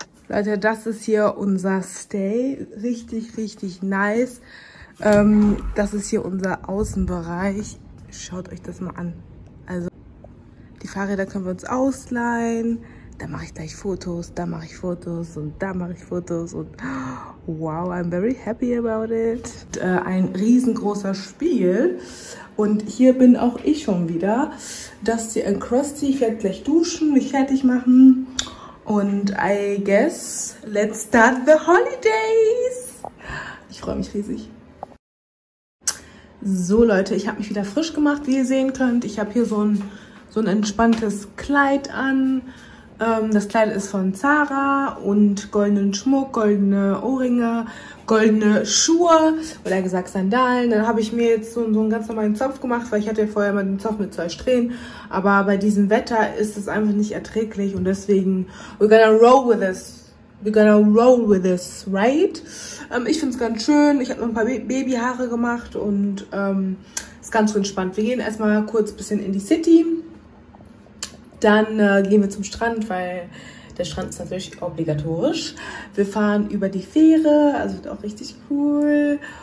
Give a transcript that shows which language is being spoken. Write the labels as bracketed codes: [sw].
[de] Leute, das ist hier unser Stay. Richtig, richtig nice. Das ist hier unser Außenbereich. Schaut euch das mal an. Also, die Fahrräder können wir uns ausleihen. Da mache ich gleich Fotos, da mache ich Fotos und da mache ich Fotos. Und [en] wow, I'm very happy about it. [de] Ein riesengroßer Spiegel. Und hier bin auch ich schon wieder. [en] Dusty and Crusty. [de] Ich werde gleich duschen, mich fertig machen. Und [en] I guess, let's start the holidays. [de] Ich freue mich riesig. So Leute, ich habe mich wieder frisch gemacht, wie ihr sehen könnt. Ich habe hier so ein entspanntes Kleid an. Das Kleid ist von Zara und goldenen Schmuck, goldene Ohrringe, goldene Schuhe oder gesagt Sandalen. Dann habe ich mir jetzt so einen ganz normalen Zopf gemacht, weil ich hatte ja vorher mal den Zopf mit 2 Strähnen. Aber bei diesem Wetter ist es einfach nicht erträglich und deswegen, [en] we're gonna roll with this. We're gonna roll with this, right? [de] Ich finde es ganz schön. Ich habe noch ein paar Babyhaare gemacht und ist ganz entspannt. Wir gehen erstmal kurz ein bisschen in die City. Dann gehen wir zum Strand, weil der Strand ist natürlich obligatorisch. Wir fahren über die Fähre, also wird auch richtig cool.